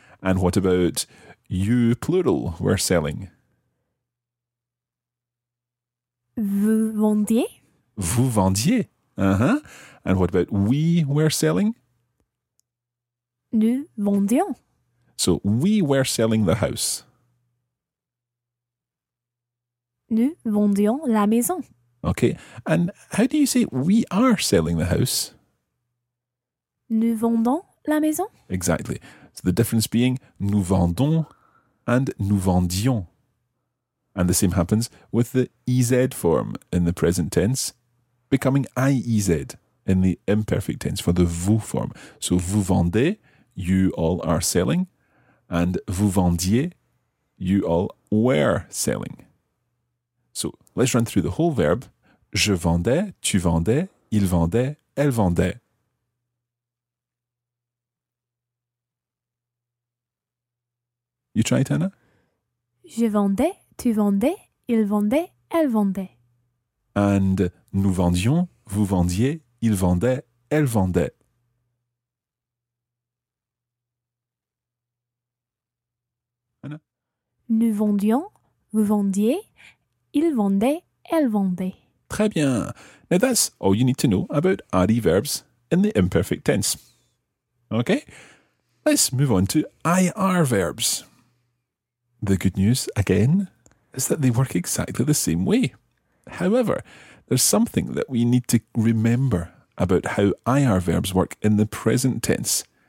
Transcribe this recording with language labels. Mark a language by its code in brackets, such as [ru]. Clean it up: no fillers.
[en] And what about you, plural, were selling? [fr] Vous vendiez. Vous vendiez. Uh-huh. [en] And what about we were selling? [fr] Nous vendions. [en] So, we were selling the house. [fr] Nous vendions la maison. [en] Okay. And how do you say we are selling the house? [fr] Nous vendons la maison. [en] Exactly. So, the difference being [fr] nous vendons [en] and [fr] nous vendions. [en] And the same happens with the EZ form in the present tense, becoming IEZ in the imperfect tense for the vous form. So, [fr] vous vendez, [en] you all are selling, and [fr] vous vendiez, [en] you all were selling. So, let's run through the whole verb. [fr] Je vendais, tu vendais, il vendait, elle vendait. [en] You try it, Anna? [fr] Je vendais, tu vendais, il vendait, elle vendait. [en] And [fr] nous vendions, vous vendiez, il vendait, elle vendait. [en] Anna? [fr] Nous vendions, vous vendiez, il vendait, elle vendait. Très bien. [en] Now that's all you need to know about adverbs in the imperfect tense. Okay? Let's move on to IR verbs. The good news, again, is that they work exactly the same way. However, there's something that we need to remember about how IR verbs work in the present tense.